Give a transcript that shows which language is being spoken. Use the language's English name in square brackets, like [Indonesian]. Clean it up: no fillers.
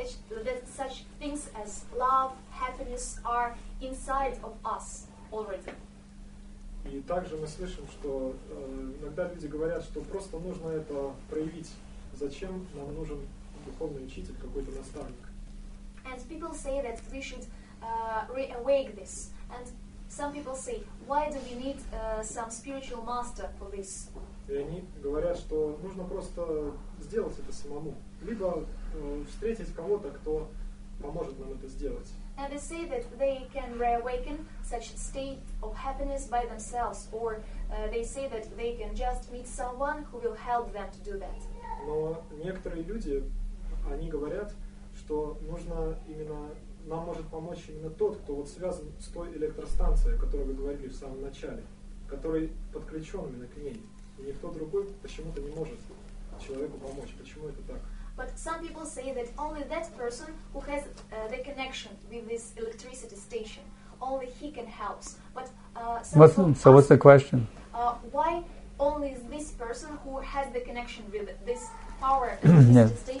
[English] That such things as love, happiness are inside of us already. [Russian] И также мы слышим, что иногда люди говорят, что просто нужно это проявить. Зачем нам нужен духовный учитель, какой-то наставник? [English] And people say that we should reawake this. And some people say, why do we need some spiritual master for this? [Russian] И они говорят, что нужно просто сделать это самому. Либо встретить кого-то, кто поможет нам это сделать. [English] And they say that they can reawaken such state of happiness by themselves. Or they say that they can just meet someone who will help them to do that. [Russian] Но некоторые люди, они говорят, что нужно именно... Нам может помочь именно тот, кто вот связан с той электростанцией, о которой вы говорили в самом начале, который подключен именно к ней. И никто другой почему-то не может человеку помочь. Почему это так? [English] But some people say that only that person who has the connection with this electricity station, only he can help. But what's the question? Why only this person who has the connection with this power yes.